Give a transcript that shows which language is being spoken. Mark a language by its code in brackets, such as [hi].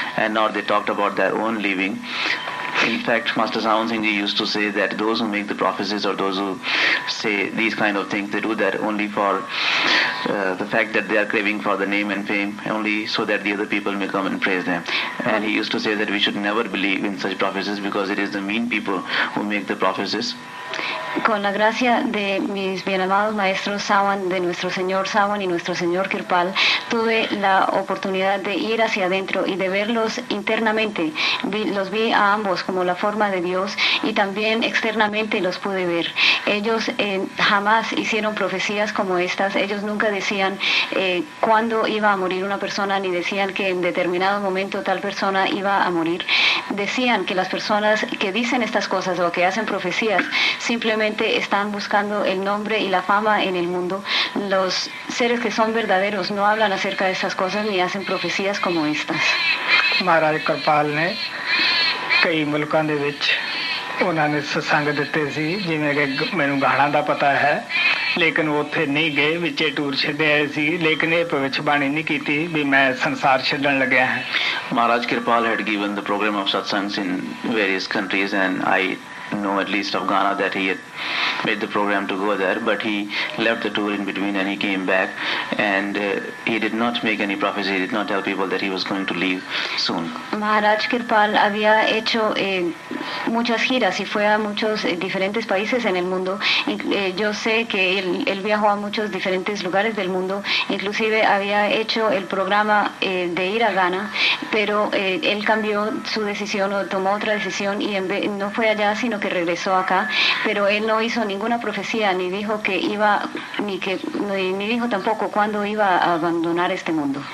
[en] And nor they talked about their own leaving. In fact, Master Sant Ji used to say that those who make the prophecies or those who say these kind of things, they do that only for the fact that they are craving for the name and fame, only so that the other people may come and praise them. And he used to say that we should never believe in such prophecies because it is the mean people who make the prophecies. [es] Con la gracia de mis bien amados maestros Sawan, de nuestro señor Sawan y nuestro señor Kirpal, tuve la oportunidad de ir hacia adentro y de verlos internamente. Los vi a ambos como la forma de Dios y también externamente los pude ver. Ellos jamás hicieron profecías como estas. Ellos nunca decían cuándo iba a morir una persona ni decían que en determinado momento tal persona iba a morir. Decían que las personas que dicen estas cosas o que hacen profecías simplemente están buscando el nombre y la fama en el mundo. Los seres que son verdaderos no hablan acerca de estas cosas ni hacen profecías como estas. [pa] Maharaj Kirpal ne kai mulkan de vich ਉਹਨਾਂ ਨੇ ਸਤਸੰਗ ਦਿੱਤੇ ਸੀ ਜਿਵੇਂ ਕਿ ਮੈਨੂੰ ਗਾਣਾ ਦਾ ਪਤਾ ਹੈ ਲੇਕਿਨ ਉਹ ਉੱਥੇ ਨਹੀਂ ਗਏ ਵਿੱਚੇ ਟੂਰ ਛੱਡੇ ਆਏ ਸੀ ਲੇਕਿਨ ਇਹ ਭਵਿੱਖ ਬਾਣੀ ਨਹੀਂ ਕੀਤੀ ਵੀ ਮੈਂ ਸੰਸਾਰ ਛੱਡਣ ਲੱਗਿਆ ਹਾਂ [en] Maharaj Kirpal had given the program of satsangs in various countries and I know at least of Ghana that he had made the program to go there, but he left the tour in between and he came back, and he did not make any prophecy, he did not tell people that he was going to leave soon. [es] Maharaj Kirpal había hecho muchas giras y fue a muchos diferentes países en el mundo. Yo sé que él viajó a muchos diferentes lugares del mundo, inclusive había hecho el programa de ir a Ghana, pero él cambió su decisión o tomó otra decisión y no fue allá, sino que regresó acá, pero él no hizo ninguna profecía, ni dijo que iba, ni dijo tampoco cuándo iba a abandonar este mundo.